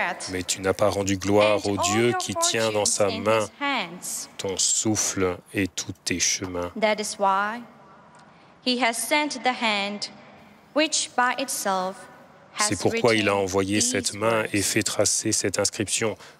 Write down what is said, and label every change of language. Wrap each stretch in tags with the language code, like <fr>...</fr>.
<fr>Mais tu n'as pas rendu gloire au Dieu qui tient dans sa main ton souffle et tous tes chemins.</fr> <en>That is why he has sent the hand which by itself has written.</en> <fr>C'est pourquoi il a envoyé cette main et fait tracer cette inscription.</fr>